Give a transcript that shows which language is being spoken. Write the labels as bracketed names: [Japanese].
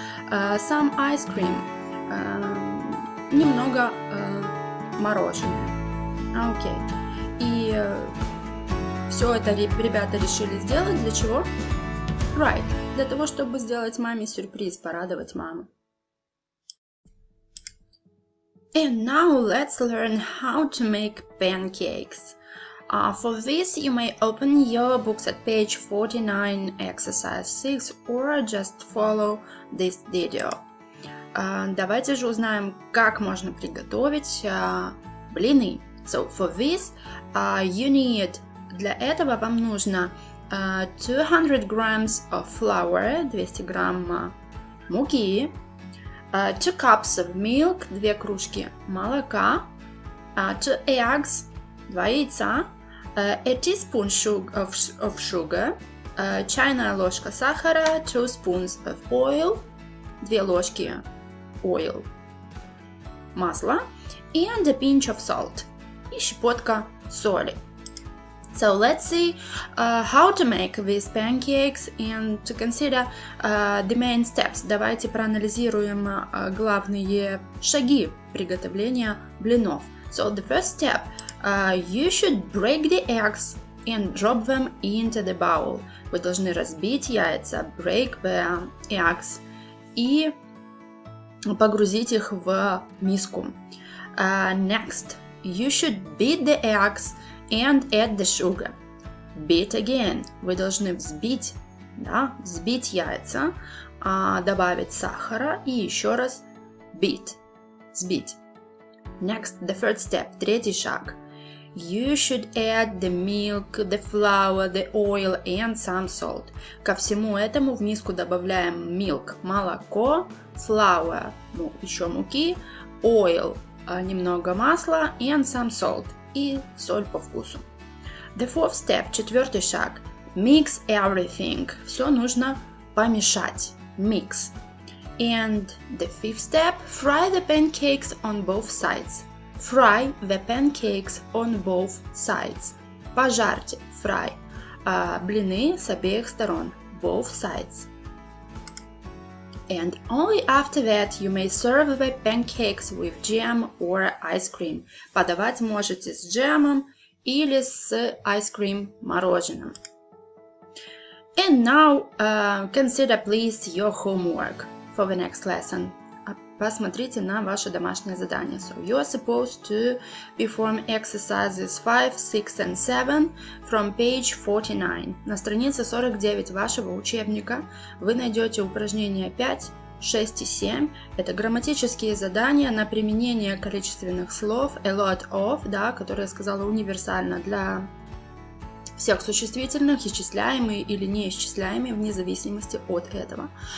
[English] Some ice cream, [Russian] немного мороженое. Окей. И все это ребята решили сделать для чего? Right, для того, чтобы сделать маме сюрприз, порадовать маму. [English] And now let's learn how to make pancakes. For this, you may open your books at page 49, exercise 6, or just follow this video. [Russian] Давайте же узнаем, как можно приготовить блины. [English] So, for this, you need... [Russian] Для этого вам нужно [English] 200 grams of flour, [Russian] 200 грамм муки, [English] 2 cups of milk, [Russian] 2 кружки молока, [English] 2 eggs, [Russian] 2 яйца, [English] a teaspoon of sugar, [Russian] чайная ложка сахара, [English] 2 spoons of oil, [Russian] 2 ложки [English] oil, [Russian] масла, [English] and a pinch of salt, [Russian] и щепотка соли. [English] So let's see how to make these pancakes and to consider the main steps. [Russian] Давайте проанализируем главные шаги приготовления блинов. [English] So the first step, you should break the eggs and drop them into the bowl. [Russian] Вы должны разбить яйца, [English] break the eggs, [Russian] и погрузить их в миску. [English] Next, you should beat the eggs and add the sugar. Beat again. [Russian] Вы должны взбить яйца, добавить сахара и еще раз beat. Взбить. [English] Next, the third step, [Russian] третий шаг. [English] You should add the milk, the flour, the oil and some salt. [Russian] Ко всему этому в миску добавляем milk, молоко, flour, ну, еще муки, oil, немного масла [English] and some salt. [Russian] И соль по вкусу. [English] The fourth step, [Russian] четвертый шаг. [English] Mix everything. [Russian] Все нужно помешать. [English] Mix. And the fifth step, fry the pancakes on both sides. Fry the pancakes on both sides. [Russian] Пожарьте, fry, блины с обеих сторон. [English] Both sides. And only after that you may serve the pancakes with jam or ice cream. [Russian] Подавать можете с джемом или с ice cream мороженым. [English] And now consider please your homework for the next lesson. [Russian] Посмотрите на ваше домашнее задание. [English] So you are supposed to perform exercises 5, 6 and 7 from page 49. [Russian] На странице 49 вашего учебника вы найдете упражнения 5, 6 и 7. Это грамматические задания на применение количественных слов a lot of, да, которые я сказала универсально для всех существительных, исчисляемые или неисчисляемые, вне зависимости от этого.